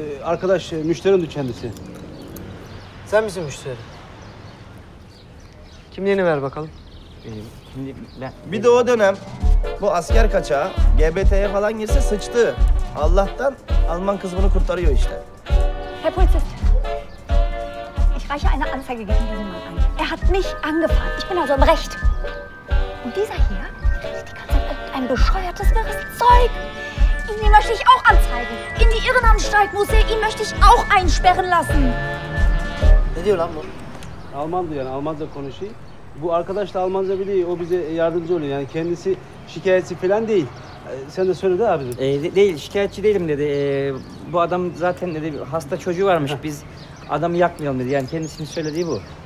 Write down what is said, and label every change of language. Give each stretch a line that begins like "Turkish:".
Turkish: Arkadaş, müşterimdi kendisi. Sen misin müşteri? Kimliğini ver bakalım. Benim. Kimliğim, ben. Bir de o dönem bu asker kaçağı GBT'ye falan girse sıçtı. Allah'tan Alman kız bunu kurtarıyor işte.
German: Herr Polizist. Ich reiche eine Anzeige gegen diesen Mann an. Er hat mich angefahren. Ich bin also im Recht. Und dieser hier redet die ganze Zeit ein bescheuertes, wirres Zeug. Ihn möchte ich auch anzeigen. In die Irrenanstalt muss er. Ihn möchte ich auch einsperren lassen.
Turkish: Ne diyor lan bu? Alman diyor yani. Almanca konuşuyor. Bu arkadaş da Almanca biliyor. O bize yardımcı oluyor. Yani kendisi şikayetçi falan değil. Sen de söyledi abi. Değil, şikayetçi değilim dedi. Bu adam zaten dedi hasta çocuğu varmış. Biz adamı yakmayalım dedi. Yani kendisinin söylediği bu.